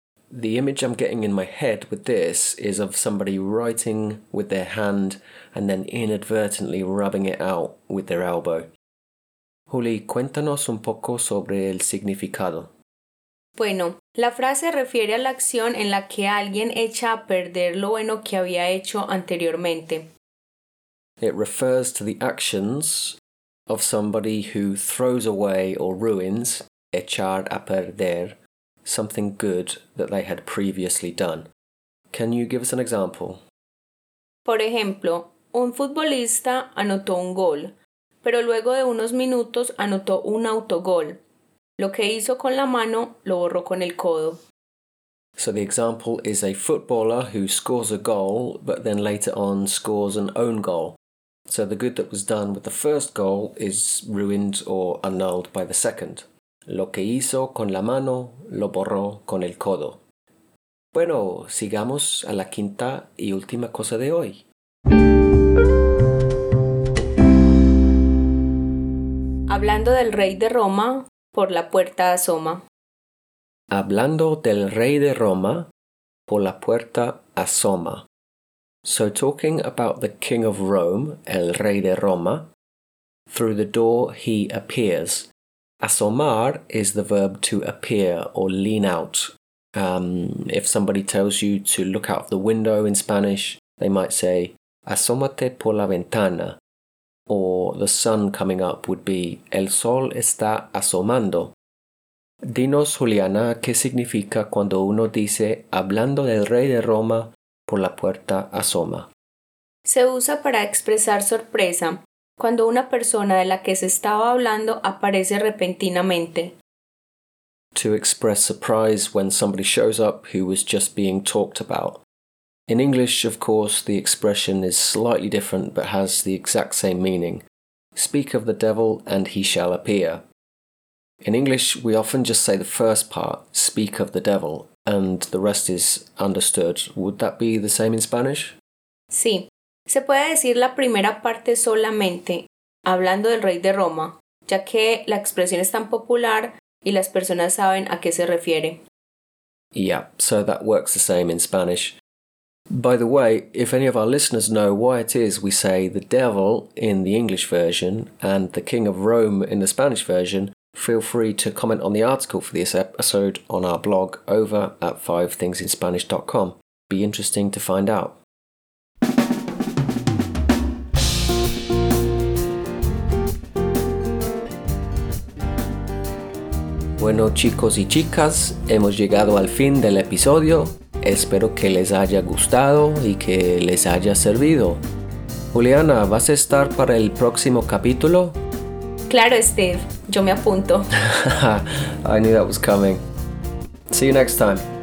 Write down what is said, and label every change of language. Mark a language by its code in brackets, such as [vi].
[en] The image I'm getting in my head with this is of somebody writing with their hand and then inadvertently rubbing it out with their elbow. [es] Juli, cuéntanos un poco sobre el significado. Bueno, la frase refiere a la acción en la que alguien echa a perder lo bueno que había hecho anteriormente. [en] It refers to the actions of somebody who throws away or ruins, [es] echar a perder, [en] something good that they had previously done. Can you give us an example? [es] Por ejemplo, un futbolista anotó un gol, pero luego de unos minutos anotó un autogol. Lo que hizo con la mano, lo borró con el codo. [en] So the example is a footballer who scores a goal, but then later on scores an own goal. So the good that was done with the first goal is ruined or annulled by the second. [es] Lo que hizo con la mano, lo borró con el codo. Bueno, sigamos a la quinta y última cosa de hoy. Hablando del rey de Roma, por la puerta asoma. Hablando del rey de Roma, por la puerta asoma. [en] So talking about the king of Rome, [es] el rey de Roma, [en] through the door he appears. Asomar is the verb to appear or lean out. If somebody tells you to look out of the window in Spanish, they might say, [es] asómate por la ventana. [en] Or the sun coming up would be, [es] el sol está asomando. Dinos, Juliana, ¿qué significa cuando uno dice, hablando del rey de Roma, por la puerta asoma? Se usa para expresar sorpresa, cuando una persona de la que se estaba hablando aparece repentinamente. [en] To express surprise when somebody shows up who was just being talked about. In English, of course, the expression is slightly different but has the exact same meaning. Speak of the devil and he shall appear. In English, we often just say the first part, speak of the devil, and the rest is understood. Would that be the same in Spanish? [es] Sí. Se puede decir la primera parte solamente, hablando del rey de Roma, ya que la expresión es tan popular y las personas saben a qué se refiere. [en] Yeah, so that works the same in Spanish. By the way, if any of our listeners know why it is we say the devil in the English version and the king of Rome in the Spanish version, feel free to comment on the article for this episode on our blog over at 5thingsinspanish.com. Be interesting to find out. [es] Bueno, chicos y chicas, hemos llegado al fin del episodio. Espero que les haya gustado y que les haya servido. Juliana, ¿vas a estar para el próximo capítulo? Claro, Steve. Yo me apunto. [en] I knew that was coming. See you next time.